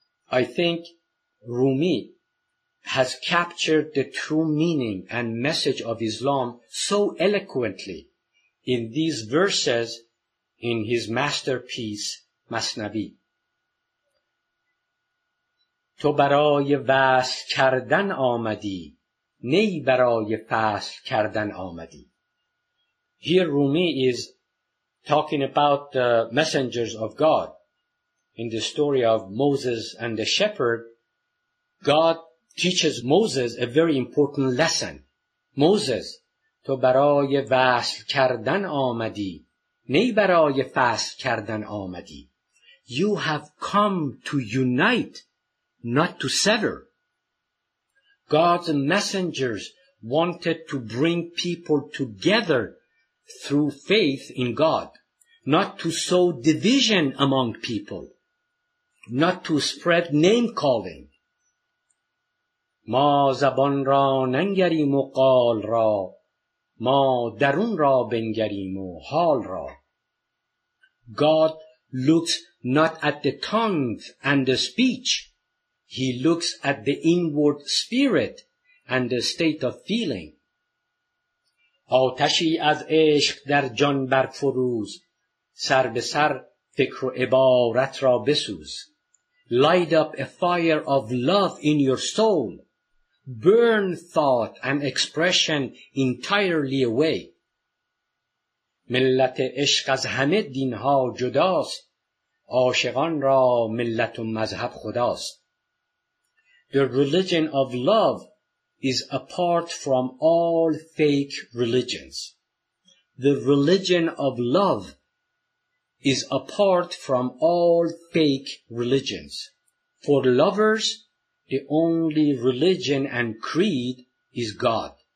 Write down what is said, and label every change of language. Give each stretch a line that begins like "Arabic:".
English: I think Rumi has captured the true meaning and message of Islam so eloquently in these verses in his masterpiece, Masnavi.
Persian: تو برای وصل کردن آمدی، نه برای فصل کردن آمدی.
English: Here Rumi is talking about the messengers of God. In the story of Moses and the shepherd, God teaches Moses a very important lesson.
Persian: Moses, تو برای وصل کردن آمدی، نه برای فصل کردن آمدی.
English: You have come to unite, not to sever. God's messengers wanted to bring people together through faith in God, not to sow division among people, not to spread name-calling.
Persian: ما زبان را ننگریم و قال را، ما درون را بنگریم و حال را.
English: God looks not at the tongues and the speech. He looks at the inward spirit and the state of feeling.
Persian: آتشی از عشق در جان برفروز، سر به سر فکر و عبارت را بسوز.
English: Light up a fire of love in your soul. Burn thought and expression entirely away.
Persian: ملت عشق از همه دینها جداست، عاشقان را ملت و مذهب خداست.
English: The religion of love is apart from all fake religions. The religion of love is apart from all fake religions. For lovers, the only religion and creed is God.